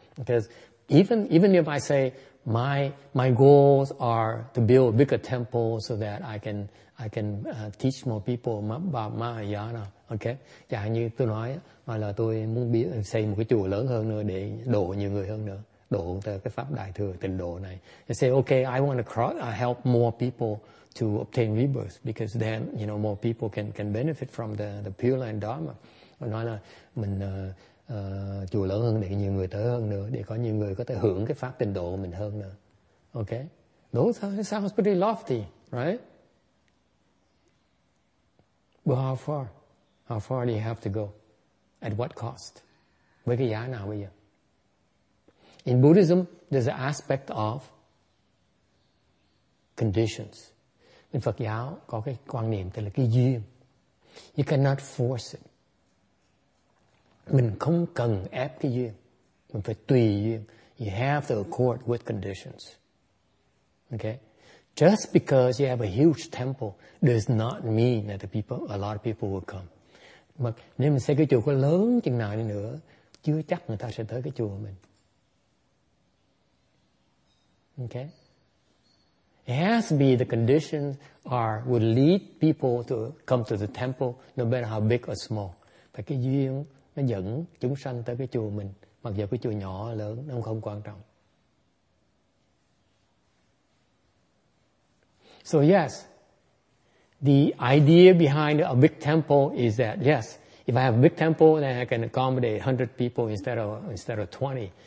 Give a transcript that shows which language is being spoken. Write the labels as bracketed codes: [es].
[en] Because even if I say my goals are to build a bigger temple so that I can teach more people about Mahayana, okay? [vi] Chẳng hạn như tôi nói là tôi muốn xây một cái chùa lớn hơn nữa để độ nhiều người hơn nữa, độ cái pháp đại thừa tịnh độ này. [en] I say okay, I want to help more people to obtain rebirth because then you know more people can benefit from the Pure Land Dharma. [vi] Tôi nói là mình chùa lớn hơn để nhiều người tới hơn nữa, để có nhiều người có thể hưởng cái pháp tịnh độ của mình hơn nữa. [en] Okay? Those sounds pretty lofty, right? But how far? How far do you have to go? At what cost? [vi] Với cái giá nào bây giờ? [en] In Buddhism, there's an aspect of conditions. [vi] In Phật giáo có cái quan niệm tên là cái duyên. [en] You cannot force it. [vi] Mình không cần ép cái duyên, mình phải tùy duyên. [en] You have to accord with conditions. Okay? Just because you have a huge temple does not mean that a lot of people will come. [vi] Mà nếu mình xây cái chùa có lớn chừng nào đi nữa, chưa chắc người ta sẽ tới cái chùa mình. [en] Okay? It has to be the conditions are would lead people to come to the temple, no matter how big or small. [vi] Phải cái duyên nó dẫn chúng sanh tới cái chùa mình, mặc dù cái chùa nhỏ lớn nó không quan trọng. [en] So yes, the idea behind a big temple is that yes, if I have a big temple, then I can accommodate 100 people instead of 20.